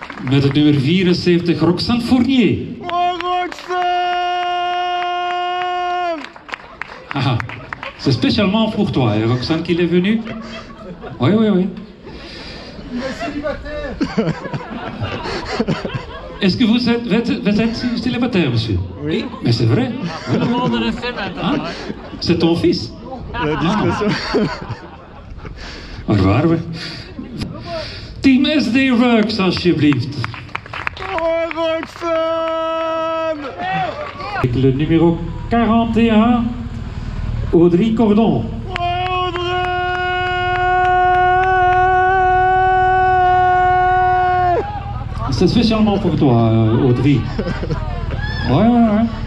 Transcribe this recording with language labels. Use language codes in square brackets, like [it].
[nl] Met het nummer 74, Roxane Fournier. [fr] Oh, Roxane! Haha, c'est spécialement pour toi, hein, Roxane, qu'il est venu. Oui, oui, oui. Il est célibataire. Est-ce que vous êtes célibataire, monsieur? Oui. Et, mais c'est vrai. Tout le monde le sait maintenant. C'est ton fils. La discrétion. Au revoir, oui. [nl] Team SD Rux, alsjeblieft. [fr] Oui, Roxane! Avec le numéro 41, Audrey Cordon. Audrey! C'est spécialement pour toi, Audrey. Ouais, ouais, ouais.